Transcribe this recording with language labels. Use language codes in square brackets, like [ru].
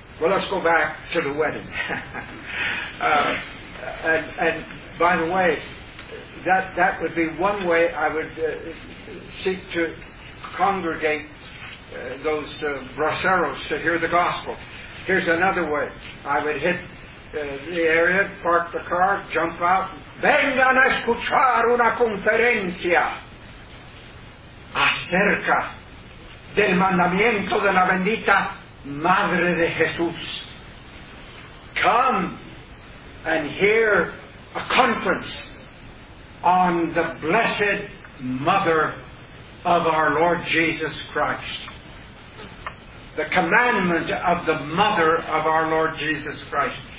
[en] Well, let's go back to the wedding. and by the way, that would be one way I would seek to congregate those braceros to hear the gospel. Here's another way. I would hit the area, park the car, jump out. [es] Vengan a escuchar una conferencia acerca del mandamiento de la bendita Madre de Jesús. [en] Come and hear a conference on the Blessed Mother of our Lord Jesus Christ. The commandment of the Mother of our Lord Jesus Christ.